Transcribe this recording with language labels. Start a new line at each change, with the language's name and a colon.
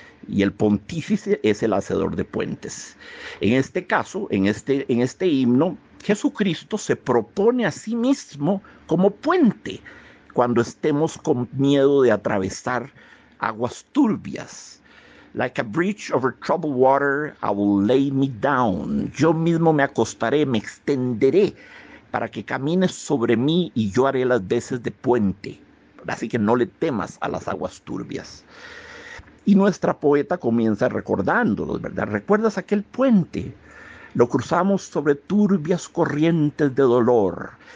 Spanish: Y el pontífice es el hacedor de puentes. En este caso, en este himno, Jesucristo se propone a sí mismo como puente cuando estemos con miedo de atravesar aguas turbias.
English: Like a bridge over troubled water, I will lay me down.
Spanish: Yo mismo me acostaré, me extenderé para que camines sobre mí y yo haré las veces de puente. Así que no le temas a las aguas turbias. Y nuestra poeta comienza recordándolo, ¿verdad? ¿Recuerdas aquel puente? Lo cruzamos sobre turbias corrientes de dolor.